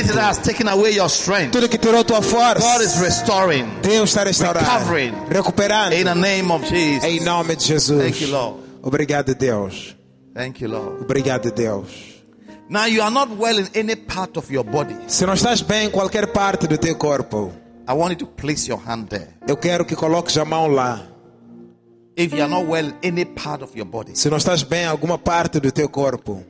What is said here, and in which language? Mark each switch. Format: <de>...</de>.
<en>Anything that has taken away your strength.</en> <pt>Tudo que tirou tua força.</pt> <en>God is restoring.</en> <pt>Deus está a restaurar.</pt> <en>Recovering.</en> <pt>Recuperando.</pt> <en>In the name of Jesus.</en> <pt>Em nome de Jesus.</pt> <en>Thank you, Lord.</en> <pt>Obrigado, Deus.</pt> <en>Thank you, Lord.</en> <pt>Obrigado, Deus.</pt> <en>Now you are not well in any part of your body.</en> <pt>Se não estás bem em qualquer parte do teu corpo.</pt> <en>I want you to place your hand there.</en> <pt>Eu quero que coloques a mão lá.</pt> <en>If you are not well in any part of your body.</en> <pt>Se não estás bem em alguma parte do teu corpo.</pt>